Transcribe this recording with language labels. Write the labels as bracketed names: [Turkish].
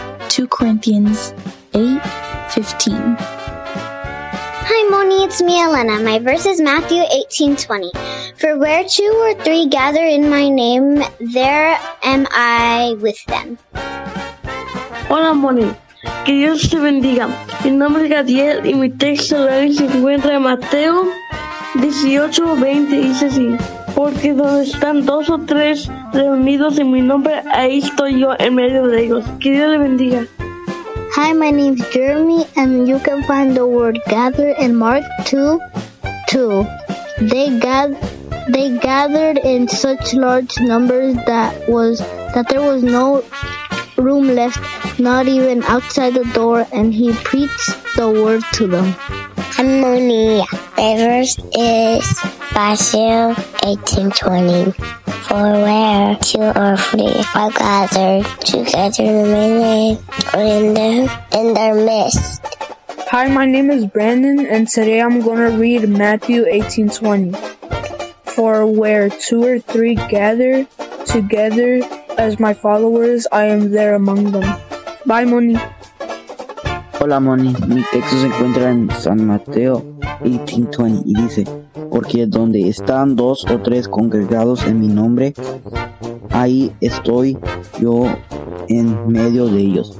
[English] 2 Corinthians 8:15. Hi, Moni, it's me, Elena. My verse is Matthew 18:20. For where two or three gather in my name, there am I with them. [Spanish] Hola, Moni. Que Dios te bendiga. Mi nombre es Gadiel y mi texto de hoy se encuentra en Mateo 18:20. Dice así: porque donde están dos o tres reunidos en mi nombre, ahí estoy yo en medio de ellos. Que Dios le bendiga. [English] Hi, my name is Jeremy, and you can find the word gathered in Mark 2:2. They gathered in such large numbers that there was no room left, not even outside the door, and he preached the word to them. Hi, Moni. The verse is Matthew 18:20. For where two or three are gathered together in their midst. Hi, my name is Brandon, and today I'm going to read Matthew 18:20. For where two or three gather together as my followers, I am there among them. Bye, Moni. [Spanish] Hola, Moni. Mi texto se encuentra en San Mateo 18:20 y dice: porque donde están dos o tres congregados en mi nombre, ahí estoy yo en medio de ellos.